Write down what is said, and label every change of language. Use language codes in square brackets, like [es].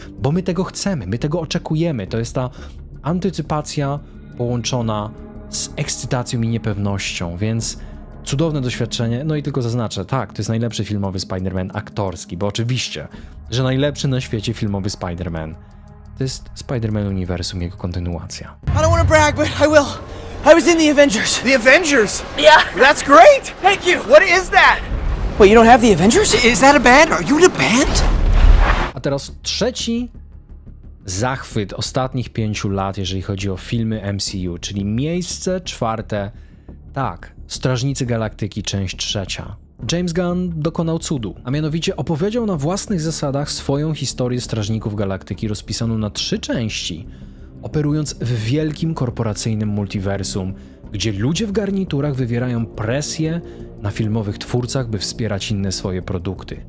[pl] Bo my tego chcemy, my tego oczekujemy. To jest ta antycypacja połączona z ekscytacją i niepewnością. Więc cudowne doświadczenie. No i tylko zaznaczę, tak, to jest najlepszy filmowy Spider-Man aktorski. Bo oczywiście, że najlepszy na świecie filmowy Spider-Man. To jest Spider-Man Uniwersum, jego kontynuacja. [en] I don't wanna brag, but I will. I was in the Avengers. The Avengers? Yeah. That's great. Thank you. What is that? Wait, you don't have the Avengers? Is that a band? Are you in a band? [pl] A teraz trzeci zachwyt ostatnich 5 lat, jeżeli chodzi o filmy MCU, czyli miejsce czwarte. Tak, Strażnicy Galaktyki, część trzecia. James Gunn dokonał cudu, a mianowicie opowiedział na własnych zasadach swoją historię Strażników Galaktyki rozpisaną na 3 części, operując w wielkim korporacyjnym multiversum, gdzie ludzie w garniturach wywierają presję na filmowych twórcach, by wspierać inne swoje produkty.